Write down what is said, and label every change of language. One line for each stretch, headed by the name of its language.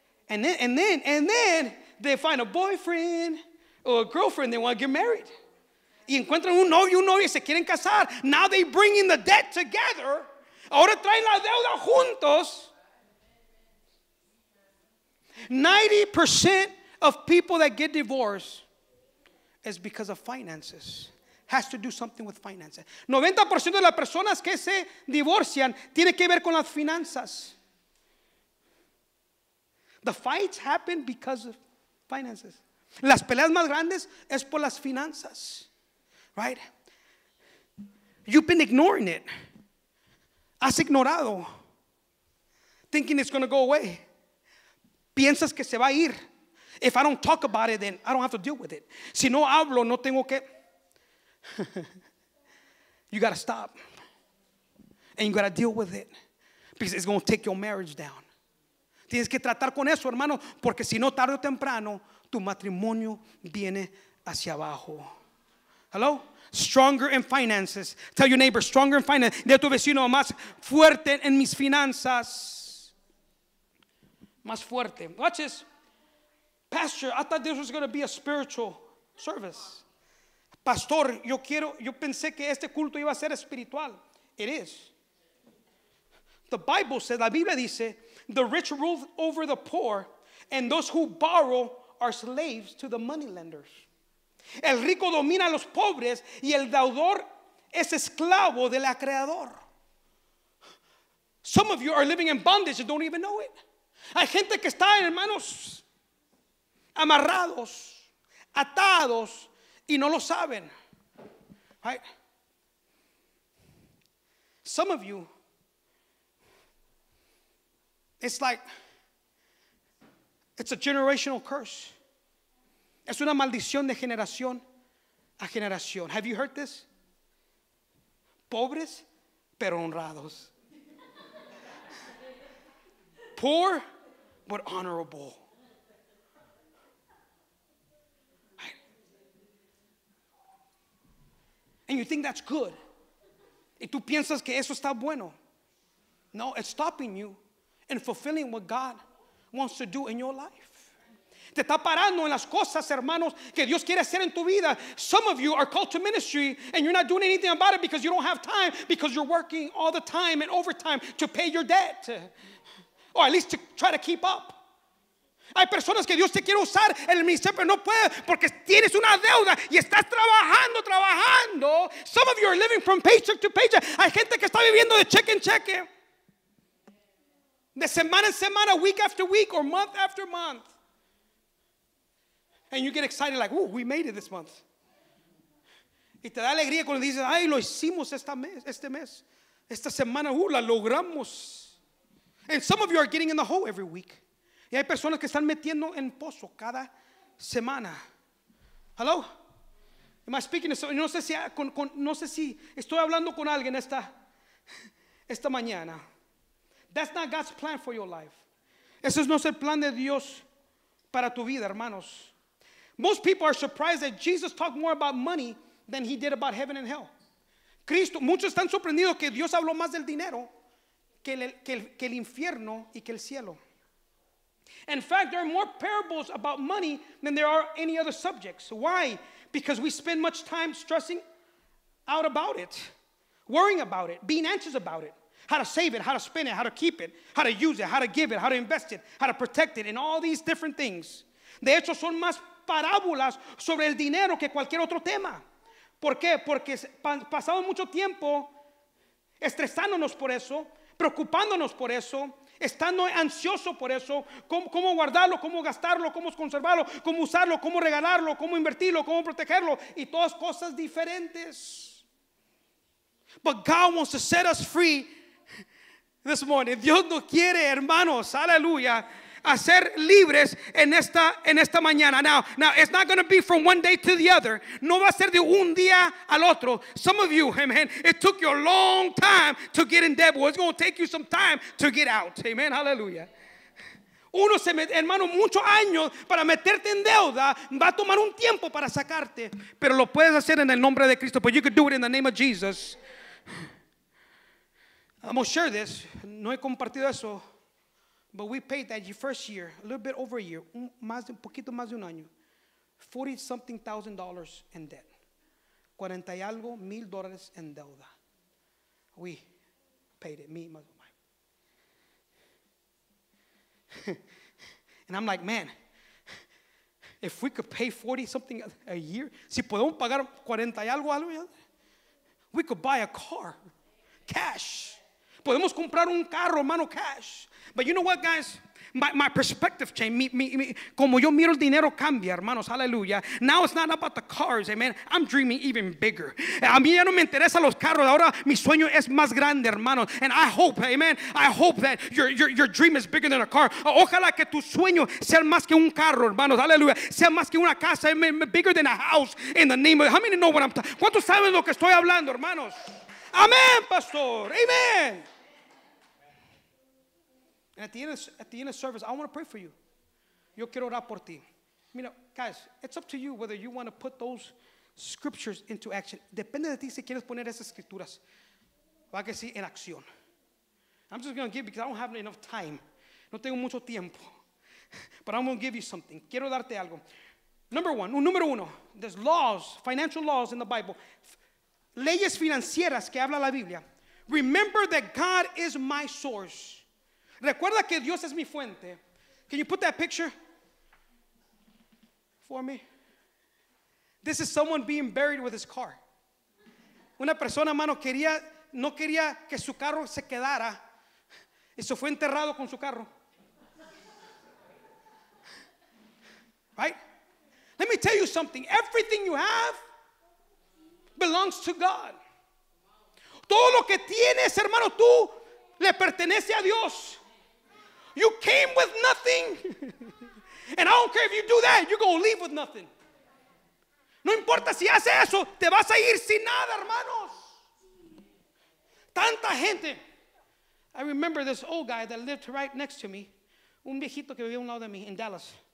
English: And then they find a boyfriend or a girlfriend, they want to get married.
Spanish: Y encuentran un novio, y se quieren casar.
English: Now they bring in the debt together.
Spanish: Ahora traen la deuda juntos.
English: 90% of people that get divorced is because of finances. Has to do something with finances.
Spanish: 90% de las personas que se divorcian tiene que ver con las finanzas.
English: The fights happen because of finances.
Spanish: Las peleas más grandes es por las finanzas.
English: Right? You've been ignoring it.
Spanish: Has ignorado.
English: Thinking it's going to go away.
Spanish: Piensas que se va a ir.
English: If I don't talk about it, then I don't have to deal with it.
Spanish: Si no hablo, no tengo que.
English: You got to stop. And you got to deal with it. Because it's going to take your marriage down.
Spanish: Tienes que tratar con eso, hermano, porque si no, tarde o temprano, tu matrimonio viene hacia abajo. Hello?
English: Stronger in finances. Tell your neighbor, stronger in finances.
Spanish: De tu vecino, más fuerte en mis finanzas. Más fuerte.
English: Watch this. Pastor, I thought this was going to be a spiritual service.
Spanish: Pastor, yo pensé que este culto iba a ser espiritual.
English: It is. The Bible says,
Spanish: la Biblia dice,
English: the rich rule over the poor, and those who borrow are slaves to the moneylenders.
Spanish: El rico domina a los pobres, y el deudor es esclavo del acreedor.
English: Some of you are living in bondage and don't even know it.
Spanish: Hay gente que está, hermanos, amarrados, atados, y no lo saben.
English: Right? Some of you, it's like, it's a generational curse.
Spanish: Es una maldición de generación a generación.
English: Have you heard this?
Spanish: Pobres, pero honrados.
English: Poor, but honorable. And you think that's good.
Spanish: Y tú piensas que eso está bueno.
English: No, it's stopping you and fulfilling what God wants to do in your life.
Spanish: Te está parando en las cosas, hermanos, que Dios quiere hacer en tu vida.
English: Some of you are called to ministry and you're not doing anything about it because you don't have time, because you're working all the time and overtime to pay your debt. Or at least to try to keep up.
Spanish: Hay personas que Dios te quiere usar en el ministerio, pero no puede porque tienes una deuda y estás trabajando, trabajando.
English: Some of you are living from paycheck to paycheck.
Spanish: Hay gente que está viviendo de cheque en cheque. De semana en semana,
English: week after week, or month after month. And you get excited like, ooh, we made it this month.
Spanish: Y te da alegría cuando dices, ay, lo hicimos este mes. Esta semana, ooh, la logramos.
English: And some of you are getting in the hole every week.
Spanish: Y hay personas que están metiendo en pozo cada semana.
English: Hello? Am I speaking to someone?
Spanish: No sé si estoy hablando con alguien esta mañana.
English: That's not God's plan for your life.
Spanish: Ese no es el plan de Dios para tu vida, hermanos.
English: Most people are surprised that Jesus talked more about money than he did about heaven and hell.
Spanish: Cristo, muchos están sorprendidos que Dios habló más del dinero que el infierno y que el cielo.
English: In fact, there are more parables about money than there are any other subjects. Why? Because we spend much time stressing out about it, worrying about it, being anxious about it, how to save it, how to spend it, how to keep it, how to use it, how to give it, how to invest it, how to protect it, and all these different things.
Spanish: De hecho, son más parábolas sobre el dinero que cualquier otro tema. ¿Por qué? Porque pasamos mucho tiempo estresándonos por eso, preocupándonos por eso, estando ansioso por eso, cómo guardarlo, cómo gastarlo, cómo conservarlo, cómo usarlo, cómo regalarlo, cómo invertirlo, cómo protegerlo, y todas cosas diferentes.
English: But God wants to set us free this morning.
Spanish: Dios nos quiere, hermanos, aleluya, hacer libres en esta mañana.
English: Now it's not going to be from one day to the other.
Spanish: No va a ser de un día al otro.
English: Some of you, amen, it took you a long time to get in debt. It's going to take you some time to get out.
Spanish: Amen, aleluya. Uno se mete, hermano, muchos años para meterte en deuda. Va a tomar un tiempo para sacarte, pero lo puedes hacer en el nombre de Cristo.
English: But you could do it in the name of Jesus. I'm going to share this.
Spanish: No he compartido eso.
English: But we paid that first year, a little bit over a year,
Spanish: un poquito más de un año,
English: $40,000+ in debt.
Spanish: 40 y algo mil dólares en deuda.
English: We paid it, me and my wife. And I'm like, man, if we could pay 40 something a year,
Spanish: si podemos pagar 40 y algo,
English: we could buy a car, cash.
Spanish: Podemos comprar un carro, mano, cash.
English: But you know what, guys? My perspective changed.
Spanish: Mi, como yo miro el dinero cambia, hermanos. Hallelujah.
English: Now it's not about the cars, amen. I'm dreaming even bigger.
Spanish: A mí ya no me interesa los carros. Ahora mi sueño es más grande, hermanos.
English: And I hope, amen. I hope that your dream is bigger than a car.
Spanish: Ojalá que tu sueño sea más que un carro, hermanos. Hallelujah. Sea más que una casa, amen.
English: Bigger than a house. In the name of. How many know what I'm talking?
Spanish: ¿Cuántos saben lo que estoy hablando, hermanos?
English: Amen, pastor. Amen. And at the end of service, I want to pray for you.
Spanish: Yo quiero orar por ti.
English: You know, guys, it's up to you whether you want to put those scriptures into action.
Spanish: Depende de ti si quieres poner esas escrituras. Va que sí, en acción.
English: I'm just going to give because I don't have enough time.
Spanish: No tengo mucho tiempo.
English: But I'm going to give you something.
Spanish: Quiero darte algo. Número uno.
English: There's laws, financial laws in the Bible.
Spanish: Leyes financieras que habla la Biblia.
English: Remember that God is my source.
Spanish: Recuerda que Dios es mi fuente.
English: Can you put that picture for me? This is someone being buried with his car.
Spanish: Una persona, mano, no quería que su carro se quedara. Y se fue enterrado con su carro.
English: Right? Let me tell you something. Everything you have belongs to God.
Spanish: Todo lo que tienes, hermano, tú le pertenece a Dios.
English: You came with nothing. And I don't care if you do that, you're going to leave with nothing.
Spanish: No importa si hace eso, te vas a ir sin nada, hermanos. Tanta gente.
English: I remember this old guy that lived right next to me.
Spanish: Un viejito que vivía a un lado de mí in Dallas.